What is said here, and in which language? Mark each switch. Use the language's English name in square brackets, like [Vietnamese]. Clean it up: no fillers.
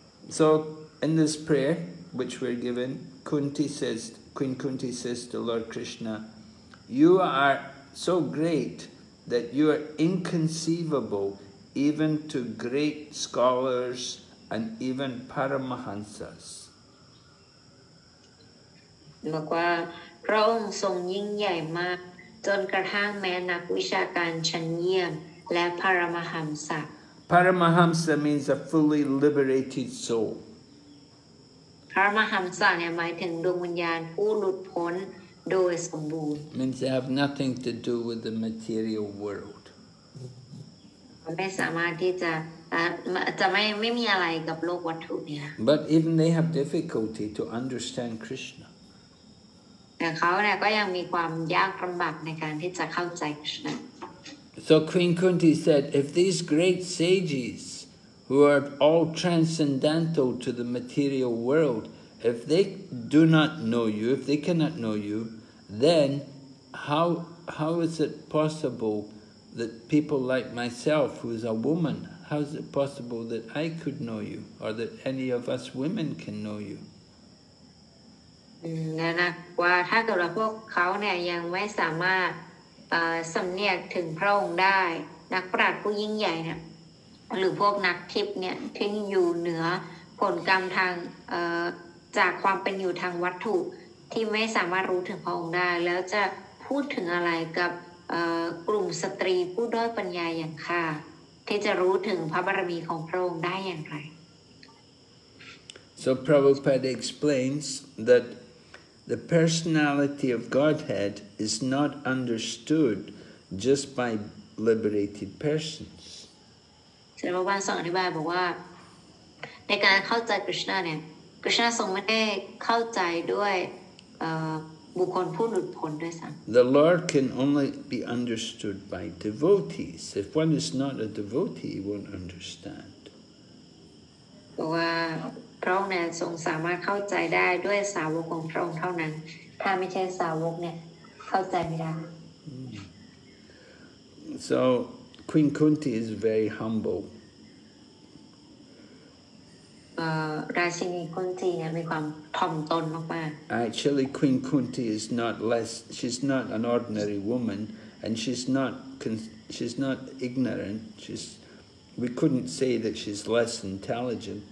[English] So in this prayer which we're given, Queen Kunti says to Lord Krishna, you are so great that you are inconceivable even to great scholars and even Paramahansas. [Thai] บอกว่าพระองค์ทรงยิ่งใหญ่มากจนกระทั่งแม้นักวิชาการชั้นเยี่ยมและปรมหันส์ [English] ปรมหันส์ means a fully liberated soul. [Thai] ปรมหันส์เนี่ยหมายถึงดวงวิญญาณผู้หลุดพ้นโดยสมบูรณ์ [English] means they have nothing to do with the material world. [Thai] ไม่สามารถที่จะไม่มีอะไรกับโลกวัตถุเนี่ย [English] But even they have difficulty to understand Krishna. [Thai] แต่เขาเนี่ยก็ยังมีความยากลำบากในการที่จะเข้าใจ Krishna. [English] So Queen Kunti said, if these great sages who are all transcendental to the material world, if they do not know you, if they cannot know you, then how is it possible that people like myself, who is a woman, how is it possible that I could know you, or that any of us women can know you? [Thai] นะนะว่าถ้าเกิดว่าพวกเขาเนี่ยยังไม่สามารถสำเนียกถึงพระองค์ได้นักปราชญ์ผู้ยิ่งใหญ่เนี่ยหรือพวกนักทิพย์เนี่ยที่อยู่เหนือผลกรรมทางจากความเป็นอยู่ทางวัตถุที่ไม่สามารถรู้ถึงพระองค์ได้แล้วจะพูดถึงอะไรกับกลุ่มสตรีผู้ด้อยปัญญาอย่างข้าที่จะรู้ถึงพระบารมีของพระองค์ได้อย่างไร [English] So Prabhupada explains thatThe personality of Godhead is not understood just by liberated persons. [Thai] ฉันบอกว่าสอนอธิบายบอกว่าในการเข้าใจกฤษณะเนี่ยกฤษณะทรงไม่ได้เข้าใจด้วยบุคคลผู้หลุดพ้นด้วยซ้ำ [English] The Lord can only be understood by devotees. If one is not a devotee, he won't understand. [Thai] ว่าพระองค์เนี่ยทรงสามารถเข้าใจได้ด้วยสาวกของพระองค์เท่านั้นถ้าไม่ใช่สาวกเนี่ยเข้าใจไม่ได้ [English] So Queen Kunti is very humble [Thai] ราชินีคุนตีเนี่ยมีความถ่อมตนมากๆ [English] Actually Queen Kunti is not less she's not an ordinary woman and she's not ignorant We couldn't say that she's less intelligent.